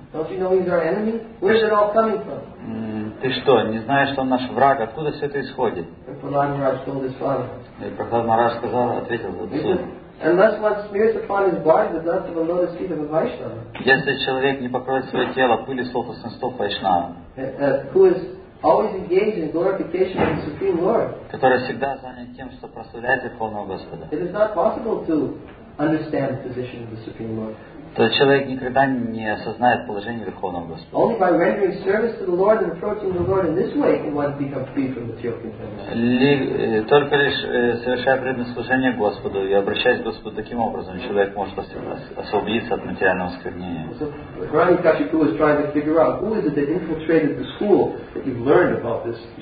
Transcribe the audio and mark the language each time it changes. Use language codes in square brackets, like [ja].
[ru] Ты что, не знаешь, что он наш враг? Откуда все это исходит? И Прохлад Махарадж ответил отцу. [en] Unless one smears upon his body the dust of a lotus feet of a Vaishnava. [ru] Если человек не покроет свое тело пылью с лотосных стоп Вайшнава. [en] Who is always engaged in glorification of the Supreme Lord. [ru] Который всегда занят тем, что прославляет Верховного Господа. [en] It is not possible to understand the position of the Supreme Lord. [ru] То человек никогда не осознает положение Верховного Господа. [en] Only by rendering service to the Lord and approaching the Lord in this way can one become free from material contamination. [ru] Только лишь совершая преданное служение Господу и обращаясь к Господу таким образом, человек может освободиться от материального осквернения. [en] So, Rani Kashyapu was trying to figure out who is it that infiltrated the school that you've learned about this.